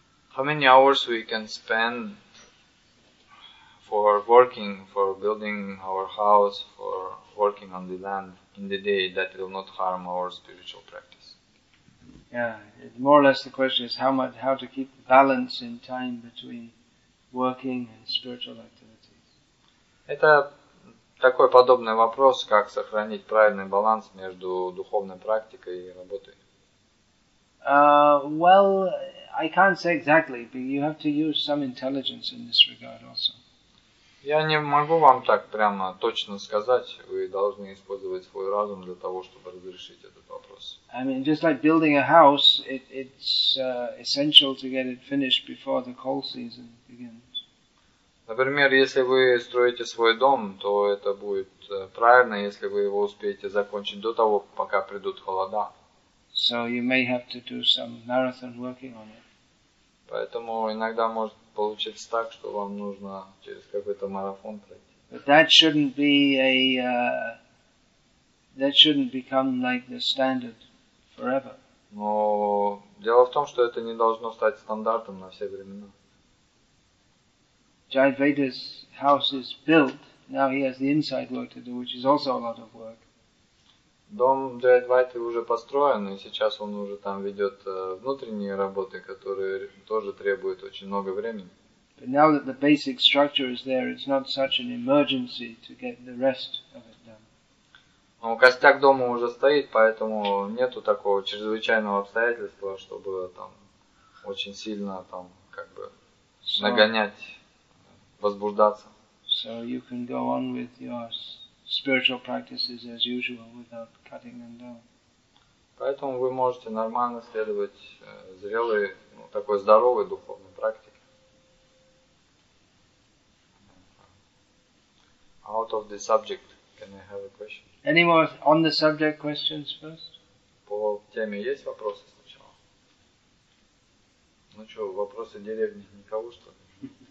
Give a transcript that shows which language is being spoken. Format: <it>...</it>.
<en>How many hours we can spend for working, for building our house, for working on the land in the day that will not harm our spiritual practice? Yeah, more or less the question is how to keep balance in time between working and spiritual activities.</en> <ru>Это такой подобный вопрос, как сохранить правильный баланс между духовной практикой и работой.</ru> <en>Well, I can't say exactly, but you have to use some intelligence in this regard also.</en> <ru>Я не могу вам так прямо точно сказать. Вы должны использовать свой разум для того, чтобы разрешить этот вопрос.</ru> <en>I mean, just like building a house, it's essential to get it finished before the cold season begins.</en> <ru>Например, если вы строите свой дом, то это будет правильно, если вы его успеете закончить до того, пока придут холода.</ru> <en>So you may have to do some marathon working on it.</en> <ru>Поэтому иногда может получиться так, что вам нужно через какой-то марафон пройти.</ru> <en>But that shouldn't be that shouldn't become like the standard forever.</en> <ru>Но дело в том, что это не должно стать стандартом на все времена.</ru> <en>Jayadvaita's house is built. Now he has the inside work to do, which is also a lot of work.</en> <ru>Дом Джайадвайты уже построен, и сейчас он уже там ведет внутренние работы, которые тоже требуют очень много времени.</ru> <en>But now that the basic structure is there, it's not such an emergency to get the rest of it done.</en> <ru>Но костяк дома уже стоит, поэтому нету такого чрезвычайного обстоятельства, чтобы там очень сильно там как бы нагонять, возбуждаться.</ru> <en>So you can go on with yours. Spiritual practices as usual without cutting them down.</en> <ru>Поэтому вы можете нормально следовать зрелой, такой здоровой духовной практике.</ru> <en>Out of the subject, can I have a question? Any more on the subject questions first?</en> <ru>По теме есть вопросы сначала? Ну что, вопросы деревни никого что ли?</ru>